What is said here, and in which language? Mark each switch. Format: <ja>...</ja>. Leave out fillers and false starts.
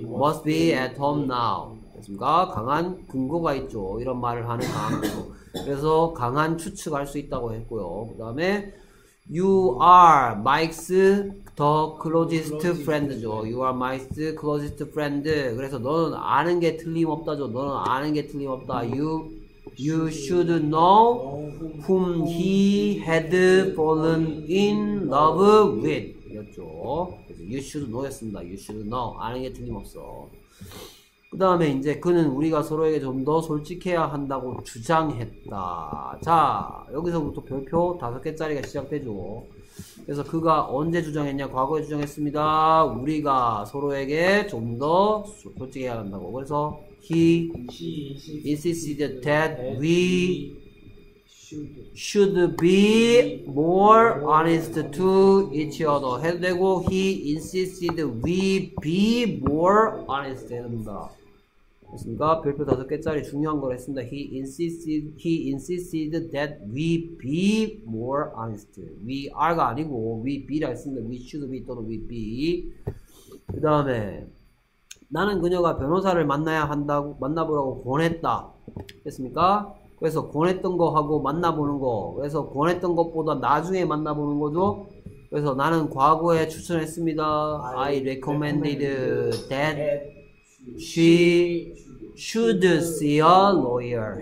<en>must be at home now.</en> <ko>됐습니까? 강한 근거가 있죠. 이런 말을 하는 강한 근거. 그래서 강한 추측할 수 있다고 했고요. 그 다음에</ko> <en>You are Mike's the closest friend죠. You are Mike's closest friend.</en> <ko>그래서 너는 아는 게 틀림없다죠. 너는 아는 게 틀림없다.</ko> <en>You should know whom he had fallen in love with. 였죠. You should know 였습니다. You should know.</en> <ko>아는 게 틀림없어. 그 다음에 이제 그는 우리가 서로에게 좀 더 솔직해야 한다고 주장했다. 자, 여기서부터 별표 5개짜리가 시작되죠. 그래서 그가 언제 주장했냐? 과거에 주장했습니다. 우리가 서로에게 좀 더 솔직해야 한다고. 그래서</ko> <en>He insisted that we should be more honest to each other.</en> <ko>해도 되고,</ko> <en>he insisted we be more honest.</en> <ko>됩니다. 됐습니까? 별표 다섯 개짜리 중요한 걸 했습니다.</ko> <en>He insisted that we be more honest. We are가 아니고, we be라 했습니다. We should be</en> <ko>또는</ko> <en>we be.</en> <ko>그 다음에, 나는 그녀가 변호사를 만나야 한다고, 만나보라고 권했다. 됐습니까? 그래서 권했던 거 하고 만나보는 거. 그래서 권했던 것보다 나중에 만나보는 거죠? 그래서 나는 과거에 추천했습니다.</ko> <en>I recommended that she should see a lawyer.</en>